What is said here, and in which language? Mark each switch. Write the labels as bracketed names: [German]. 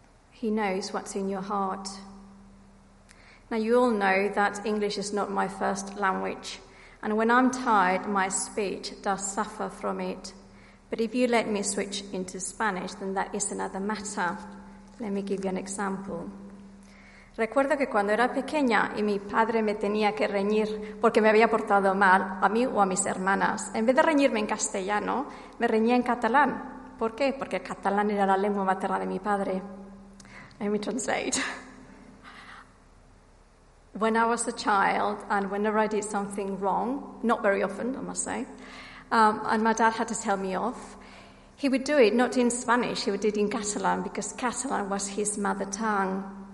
[English] He knows what's in your heart. Now, you all know that English is not my first language, and when I'm tired, my speech does suffer from it. But if you let me switch into Spanish, then that is another matter. Let me give you an example. [Spanish] Recuerdo que cuando era pequeña y mi padre me tenía que reñir porque me había portado mal a mí o a mis hermanas, en vez de reñirme en castellano, me reñía en catalán. ¿Por qué? Porque el catalán era la lengua materna de mi padre. [English] Let me translate. When I was a child, and whenever I did something wrong, not very often, I must say, and my dad had to tell me off, he would do it not in Spanish, he would do it in Catalan, because Catalan was his mother tongue.